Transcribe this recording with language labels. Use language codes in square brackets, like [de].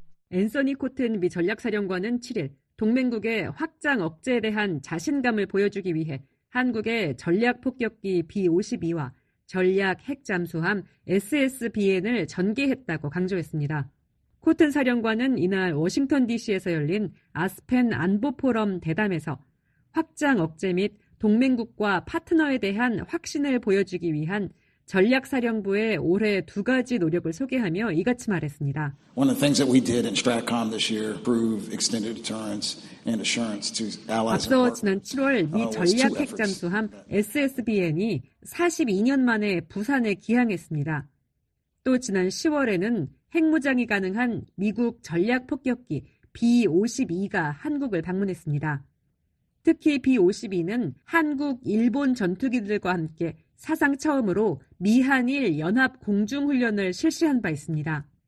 [ko] 앤서니 코튼 미 전략사령관은 7일 동맹국의 확장 억제에 대한 자신감을 보여주기 위해 한국의 전략 폭격기 B-52와 전략 핵 잠수함 SSBN을 전개했다고 강조했습니다. 코튼 사령관은 이날 워싱턴 DC에서 열린 아스펜 안보 포럼 대담에서 확장 억제 및 동맹국과 파트너에 대한 확신을 보여주기 위한 전략사령부의 올해 두 가지 노력을 소개하며 이같이 말했습니다. [en] One of the things that we did in STRATCOM this year prove extended deterrence and assurance to allies. [ko] 앞서 지난 7월 미 전략 핵 잠수함 SSBN이 42년 만에 부산에 기항했습니다. 또 지난 10월에는 핵무장이 가능한 미국 전략 폭격기 B-52가 한국을 방문했습니다. 특히 B-52는 한국, 일본 전투기들과 함께 사상 처음으로 미한일 연합 공중훈련을 실시한 바 있습니다.